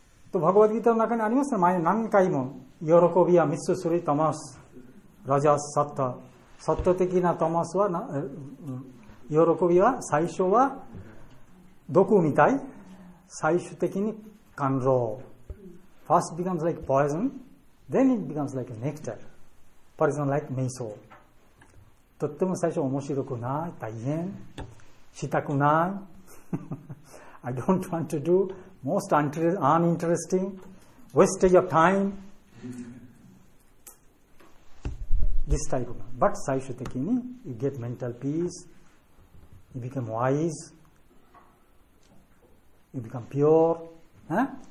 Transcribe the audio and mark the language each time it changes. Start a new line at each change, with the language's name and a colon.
Japanese: と、バガヴァッド・ギーターの中にありますね。前に何回も、喜びや三つするトマス、ラジャス・サッタ。サッタ的なトマスは、喜びは最初は毒みたい、最終的に甘露。
English: First becomes like poison, then it becomes like nectar. Poison like 瞑想。
Japanese: とっても最初面白くない、大変、したくない。
English: I don't want to do most uninteresting, wastage of time. This type of. But
Japanese: 最終的に
English: you get mental peace, you become wise, you become pure.、Huh?